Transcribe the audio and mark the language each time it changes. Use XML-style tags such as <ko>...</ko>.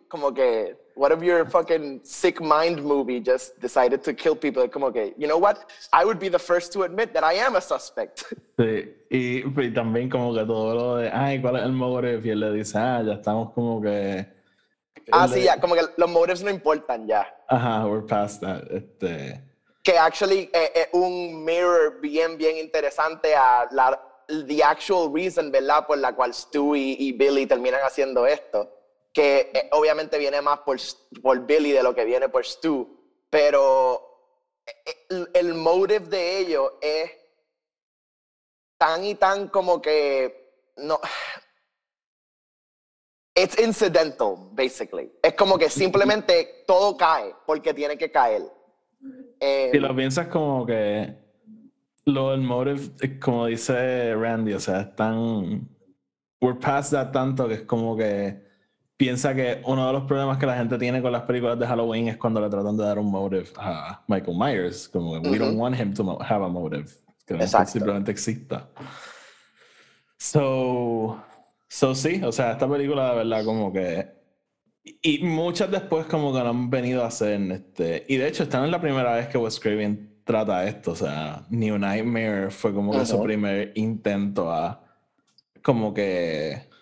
<es>Como que,</es> <en>what if your fucking sick mind movie just decided to kill people?</en> <es>Como que,</es> <en>you know what? I would be the first to admit that I am a suspect.</en> <es>Sí, y también como que todo lo de, ay, ¿cuál es el motive? Y él le dice, ah, ya estamos como que... Ah, sí, ya, como que los motives no importan ya.</es> <en>Ajá, we're past that.</en> <es>Este... Que actually un mirror bien, bien interesante a la...</es> <en>the actual reason,</en> <es>¿verdad?, por la cual Stu y Billy terminan haciendo esto, que obviamente viene más por Billy de lo que viene por Stu, pero el motive de ello es tan y tan como que no...</es> <en>It's incidental, basically.</en> <es>Es como que simplemente todo cae porque tiene que caer. Si lo piensas como que... Lo del motive, como dice Randy, o sea, es tan...</es> <en>We're past that</en> <es>tanto que es como que... Piensa que uno de los problemas que la gente tiene con las películas de Halloween es cuando le tratan de dar un motive a Michael Myers. Como que</es> <en>we don't want him to have a motive.</en> <es>Que simplemente exista. So sí, o sea, esta película de verdad como que... Y muchas después como que lo han venido a hacer en este... Y de hecho, esta no es la primera vez que Wes Craven trata esto, o sea, New Nightmare fue como que su primer intento a como que</es>